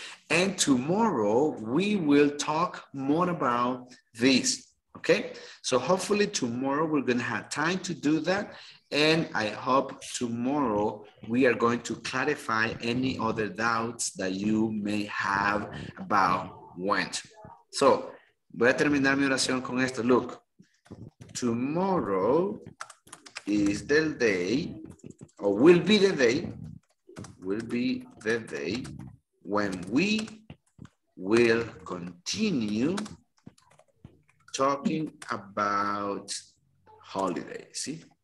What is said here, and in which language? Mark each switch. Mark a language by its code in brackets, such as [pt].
[en] And tomorrow we will talk more about this. Okay. So hopefully tomorrow we're going to have time to do that. And I hope tomorrow we are going to clarify any other doubts that you may have about went. [es] So, voy a terminar mi oración con esto. [en] Look, tomorrow is the day, or will be the day, will be the day when we will continue talking about holidays. See?